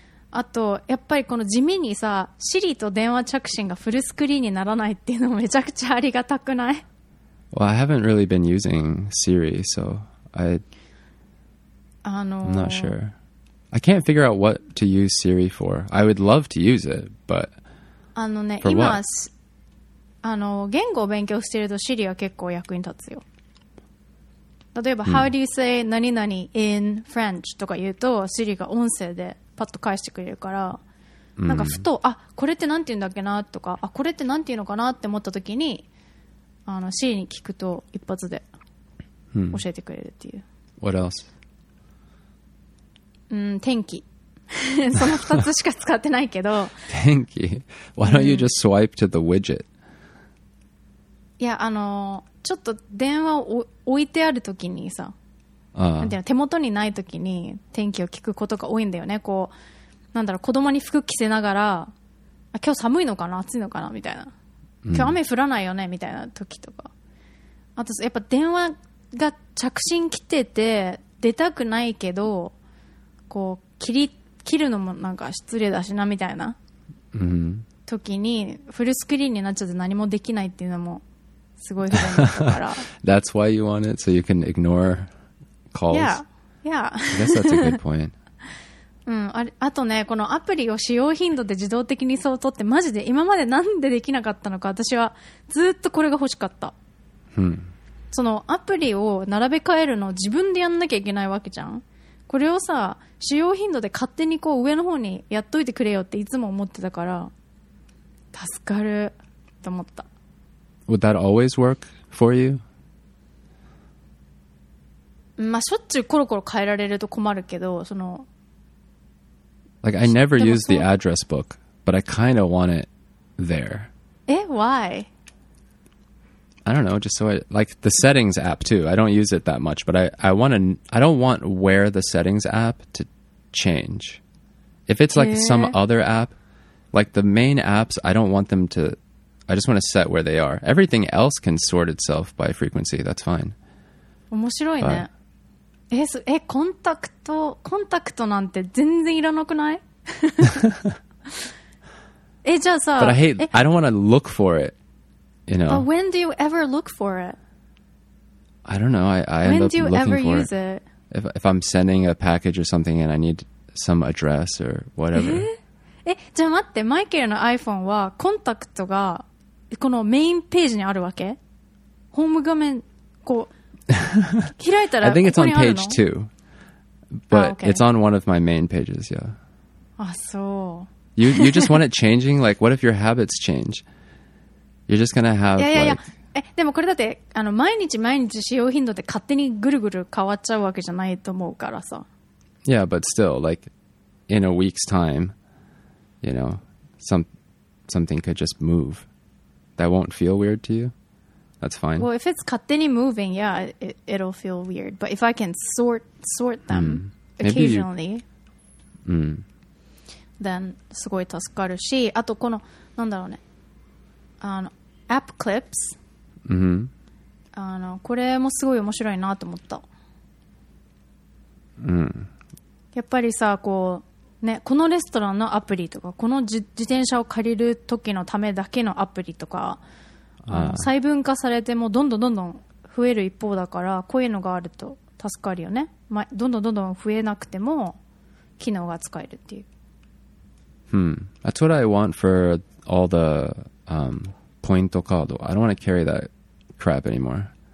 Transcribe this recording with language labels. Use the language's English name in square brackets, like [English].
[Japanese] あと、やっぱりこの地味にさ、Siri と電話着信がフルスクリーンにならないっていうのもめちゃくちゃありがたくない？ [English] Well, I haven't really been using Siri, so I... I'm not sure. I can't figure out what to use Siri for. I would love to use it, but... [Japanese] あのね、今、あの、言語を勉強してると Siri は結構役に立つよ。例えば、 [English] How do you say [Japanese] 何々 [English] in French? [Japanese] とか言うと、Siri が音声で。パッと返してくれるから、なんかふと、あ、これってなんて言うんだっけなとか、あ、これってなんて言うのかなって思った時に、あの、Siri に聞くと一発で教えてくれるっていう。 [English] What else? [Japanese] 天気。その二つしか使ってないけど。天気。 [English] Why don't you just swipe to the widget? [Japanese] いや、あの、ちょっと電話を置いてある時にさ。なんていうの、手元にないときに天気を聞くことが多いんだよね。こう、なんだろう、子供に服着せながら、あ、今日寒いのかな、暑いのかなみたいな、今日雨降らないよねみたいな時とか、あとやっぱ電話が着信来てて出たくないけど、こう切るのもなんか失礼だしなみたいな時にフルスクリーンになっちゃって何もできないっていうのもすごい不便だから。 [English] That's why you want it so you can ignore. Calls. Yeah, yeah. I guess that's a good point. [Japanese] あとね、このアプリを使用頻度で自動的に相当って、マジで今までなんでできなかったのか、私はずっとこれが欲しかった。そのアプリを並べ替えるのを自分でやんなきゃいけないわけじゃん。これをさ、使用頻度で勝手にこう上の方にやっといてくれよっていつも思ってたから、助かると思った。 [English] Would that always work for you? [Japanese] まあ、しょっちゅうコロコロ変えられると困るけど、その。 [English] Like, I never use the address book, but I kind of want it there. え、why? I don't know, just so I, like, the settings app too. I don't use it that much, but I don't want where the settings app to change. If it's like some other app, like the main apps, I don't want them to, I just want to set where they are. Everything else can sort itself by frequency, that's fine. [Japanese] 面白いね。 But,コンタクトなんて全然いらなくない？え、じゃあさ、 [English] But I don't want to look for it, you know. But when do you ever look for it? I don't know. I when end up do you looking ever for use it. It? If I'm sending a package or something and I need some address or whatever. [Japanese] え、じゃあ待って、マイケルの iPhone はコンタクトがこのメインページにあるわけ？ホーム画面、こう、 [English] I think it's on page two, but ah, okay. It's on one of my main pages. Yeah. Ah, so. You just want it changing? Like, what if your habits change? You're just gonna have. Yeah, yeah, yeah. [Japanese] Eh, でもこれだって、あの、毎日毎日使用頻度で勝手にぐるぐる変わっちゃうわけじゃないと思うからさ。 [English] Yeah, but still, like, in a week's time, you know, something could just move. That won't feel weird to you. That's fine. Well, if it's [Japanese] 勝手に [English] moving, yeah, it'll feel weird. But if I can sort them occasionally, then [Japanese] すごい助かるし、あとこの、なんだろうね、あの、App Clips、あの、これもすごい面白いなと思った。やっぱりさ、こう、ね、このレストランのアプリとか、この自転車を借りる時のためだけのアプリとか、細分化されてもどんどんどんどん増える一方だから、こういうのがあると助かるよね。まあ、どんどんどんどん増えなくても機能が使えるっていう。 [English] That's what I want for all the point card. I don't want to carry that crap anymore.